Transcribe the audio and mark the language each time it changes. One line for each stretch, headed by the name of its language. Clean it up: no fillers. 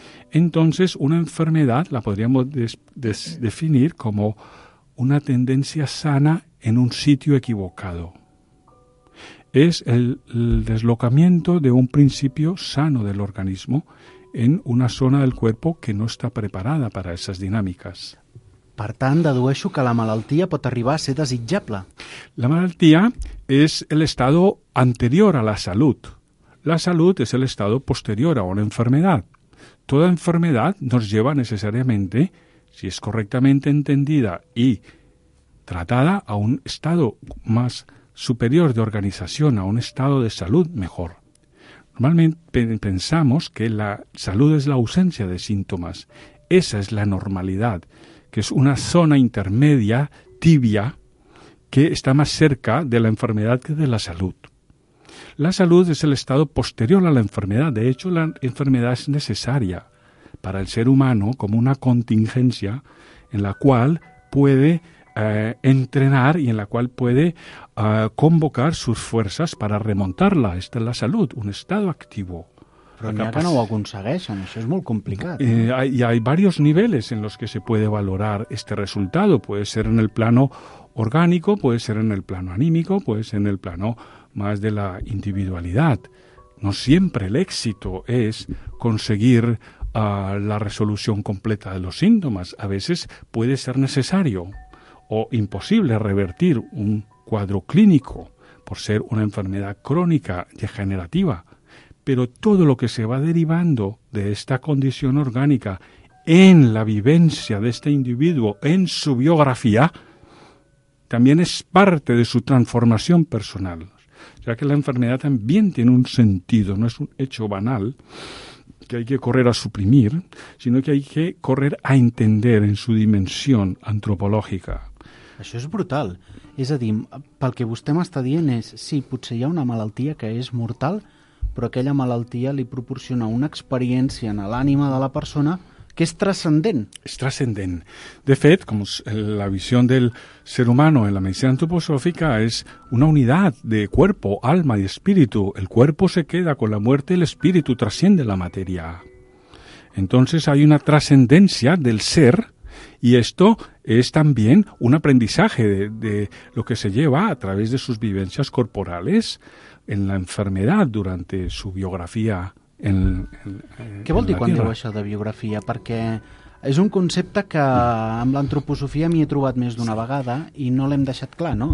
Spanish: Entonces, una enfermedad la podríamos definir como una tendencia sana en un sitio equivocado. Es el deslocamiento de un principio sano del organismo en una zona del cuerpo que no está preparada para esas dinámicas.
Catalan: Per tant, dedueixo que la malaltia pot arribar a ser desitjable. La malaltia és l'estat anterior a la salut. La salut és l'estat posterior a una
Spanish: enfermedad. Toda enfermedad nos lleva necesariamente, si es correctamente entendida y tratada, a un estado más superior de organización, a un estado de salud mejor. Normalmente pensamos que la salud es la ausencia de síntomas. Esa es la normalidad, que es una zona intermedia, tibia, que está más cerca de la enfermedad que de la salud. La salud es el estado posterior a la enfermedad. De hecho, la enfermedad es necesaria para el ser humano como una contingencia en la cual puede entrenar y en la cual puede convocar sus fuerzas para remontarla. Esta es la salud, un estado activo.
Catalan: Però n'hi ha que no ho aconsegueixen, això és molt complicat.
Spanish: Hay varios niveles en los que se puede valorar este resultado. Puede ser en el plano orgánico, puede ser en el plano anímico, puede ser en el plano más de la individualidad. No siempre el éxito es conseguir la resolución completa de los síntomas. A veces puede ser necesario o imposible revertir un cuadro clínico por ser una enfermedad crónica degenerativa. Pero todo lo que se va derivando de esta condición orgánica en la vivencia de este individuo, en su biografía, también es parte de su transformación personal. O sea que la enfermedad también tiene un sentido, no es un hecho banal que hay que correr a suprimir, sino que hay que correr a entender en su dimensión antropológica.
Catalan: Això és brutal. És a dir, pel que vostè m'està dient és, sí, potser hi ha una malaltia que és mortal, però aquella malaltia li proporciona una experiència en l'ànima de la persona que és transcendent. És transcendent. De fet, com la visió del ser humà en la medicina antroposòfica és una unitat de
Spanish: cuerpo, alma
Catalan: i espíritu.
Spanish: El cuerpo se queda con la muerte, el espíritu trasciende la materia. Entonces hay una trascendencia del ser y esto es también un aprendizaje de lo que se lleva a través de sus vivencias corporales en la enfermedad durante su biografía.
Catalan: Què vol dir quan diu això de biografia? Perquè és un concepte que amb l'antroposofia m'hi he trobat més d'una vegada i no l'hem deixat clar, no?